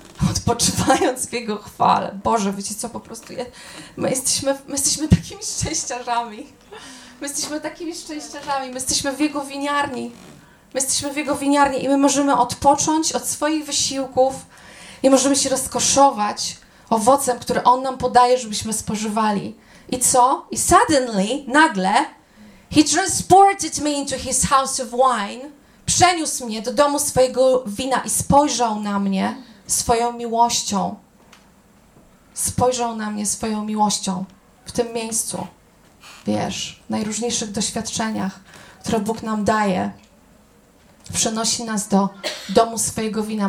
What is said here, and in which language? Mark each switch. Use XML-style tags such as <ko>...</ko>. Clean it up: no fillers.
<pl>Odpoczywając w jego chwale. Boże, wiecie co, po prostu my jesteśmy takimi szczęściarzami. My jesteśmy w jego winiarni. I my możemy odpocząć od swoich wysiłków i możemy się rozkoszować owocem, który on nam podaje, żebyśmy spożywali. I co?</pl> <en>I suddenly, nagle, he transported me into his house of wine.</en> <pl>Przeniósł mnie do domu swojego wina i spojrzał na mnie swoją miłością. Spojrzał na mnie swoją miłością w tym miejscu. wiesz, najróżniejszych doświadczeniach, które Bóg nam daje, przenosi nas do domu swojego wina.</pl>